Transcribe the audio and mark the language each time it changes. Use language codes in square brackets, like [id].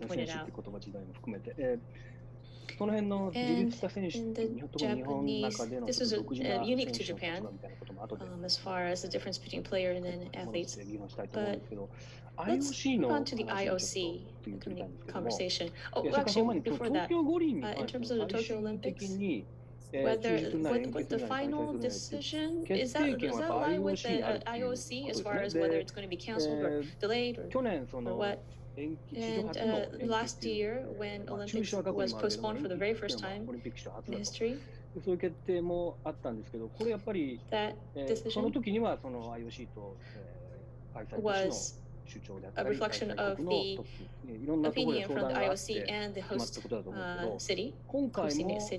[ja] 選手って言葉時代も含めて、その辺の自立した選手、特に日本の中での独自な選手の言葉みたいなことも後で、 [en] as far as the difference between player and then athletes, but let's move on to the IOC conversation. Oh, actually, before that, in terms of the Tokyo Olympics, whether what the final decision is, that does that lie with the IOC as far as whether it's going to be canceled or delayed or what? And last year, when Olympics was postponed for the very first time in history, [ja] そういう決定もあったんですけど、これやっぱり、その時にはその IOC と、開催都市の首長であったり、開催国のトップ、いろんなところで相談があって決まったことだと思うけど、今回も、